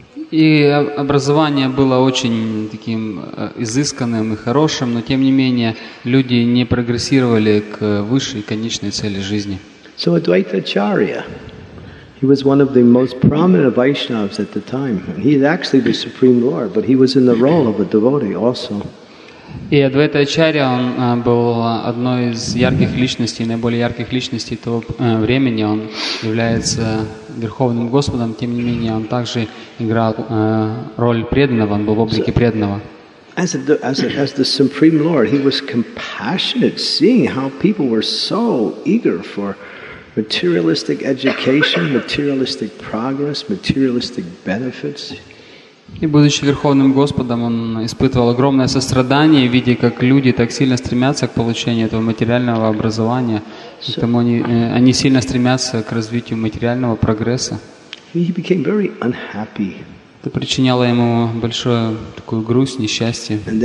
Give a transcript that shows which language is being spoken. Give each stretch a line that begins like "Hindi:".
Russian: И образование было очень таким изысканным и хорошим, но тем не менее люди не прогрессировали к высшей конечной цели жизни.
English: So Advaita Acharya, he was one of the most prominent Vaishnavas at the time, and he is actually the Supreme Lord, but he was in the role of a devotee also.
Russian: И Адвайта Ачарья, он был одной из ярких личностей, наиболее ярких личностей того времени. Он является Верховным Господом, тем не менее, он также играл роль преданного, он был в облике преданного.
English: As the Supreme Lord, he was compassionate, seeing how people were so eager for materialistic education, materialistic progress, materialistic benefits.
Russian: И будучи Верховным Господом, он испытывал огромное сострадание, видя, как люди так сильно стремятся к получению этого материального образования, поэтому они сильно стремятся к развитию материального прогресса. Это причиняло ему большую такую грусть, несчастье.